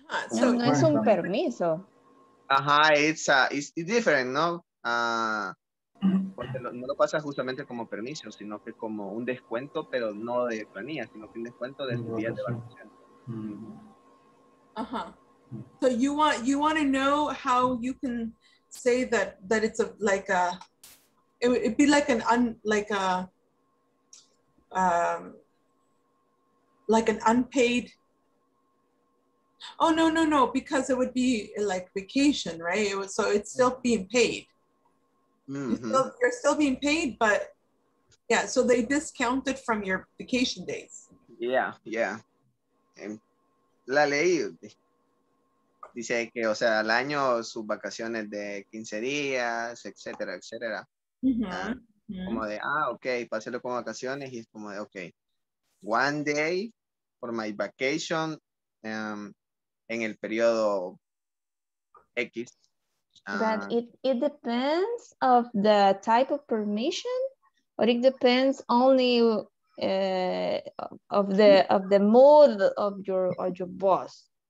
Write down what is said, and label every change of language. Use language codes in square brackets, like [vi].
[es] No es un permiso. [en] Ajá, it's different, ¿no? [es] Porque no lo pasa justamente como permiso, sino que como un descuento, pero no de planilla, sino que un descuento de días de vacaciones. Ajá. [en] So you want to know how you can say that it's like an unpaid. No, because it would be like vacation, right? So it's still being paid. Mm-hmm. You're still being paid, but yeah, so they discounted from your vacation days. Yeah, yeah. [es] La ley dice que, o sea, al año sus vacaciones de 15 días, etcétera, etcétera. Mm-hmm. Como de, ok, páselo con vacaciones, y es como de, ok, [en] one day for my vacation, [es] en el periodo X. [en] But it depends of the type of permission, or it depends only of the mood of your boss.